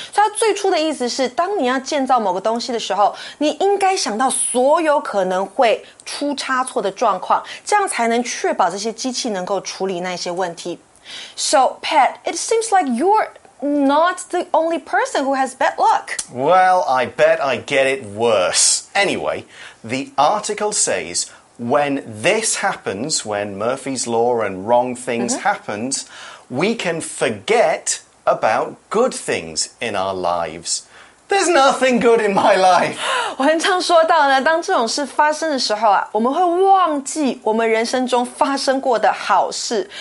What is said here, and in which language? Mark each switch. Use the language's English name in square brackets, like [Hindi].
[Chinese] 所以他最初的意思是当你要建造某个东西的时候你应该想到所有可能会出差错的状况这样才能确保这些机器能够处理那些问题。 [English] So, Pat, it seems like you're... Not the only person who has bad luck. Well, I bet I get it worse. Anyway, the article says, when this happens, when Murphy's Law and wrong things happens, we can forget about good things in our lives. There's nothing good in my life. [Chinese] 文章说到呢，当这种事发生的时候啊，我们会忘记我们人生中发生过的好事。